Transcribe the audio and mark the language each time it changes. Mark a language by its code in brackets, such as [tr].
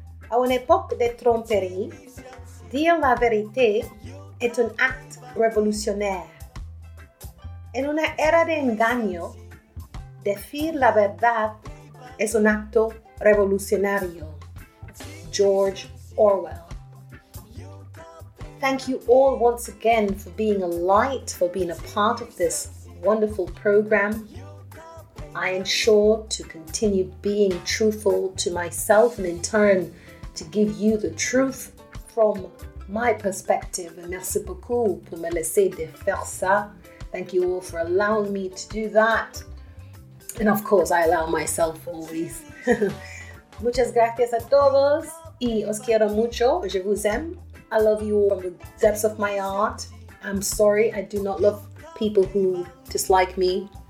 [fr] A une époque de tromperie, dire la vérité est un acte révolutionnaire. [es] En una era de engaño, decir la verdad es un acto revolucionario. George Orwell. [en] Thank you all once again for being a light, for being a part of this wonderful program. I am sure to continue being truthful to myself and in turn to give you the truth from my perspective. [fr] Merci beaucoup pour me laisser de faire ça. [en] Thank you all for allowing me to do that. And of course, I allow myself always. [es] Muchas gracias a todos. Y os quiero mucho, [fr] je vous aime. [en] I love you all from the depths of my heart. I'm sorry, I do not love people who dislike me.